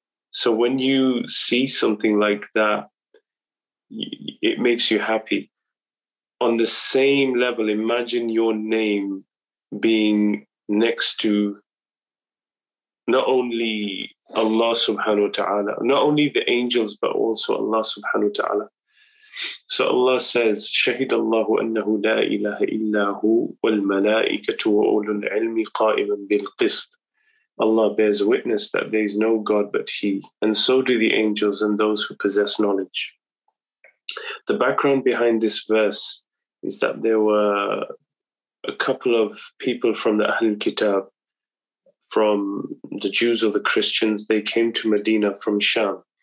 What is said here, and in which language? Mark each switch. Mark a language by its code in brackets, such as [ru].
[en] So when you see something like that, it makes you happy. On the same level, imagine your name being next to not only Allah subhanahu wa ta'ala, not only the angels, but also Allah subhanahu wa ta'ala. So Allah says, [ar] شَهِدَ اللَّهُ أَنَّهُ لَا إِلَهَ إِلَّا هُوَ وَالْمَلَائِكَةُ وَأُولُ الْعِلْمِ قَائِمًا بِالْقِسْطِ. [en] Allah bears witness that there is no God but He, and so do the angels and those who possess knowledge. The background behind this verse is that there were a couple of people from the Ahlul Kitab, from the Jews or the Christians, they came to Medina from Sham.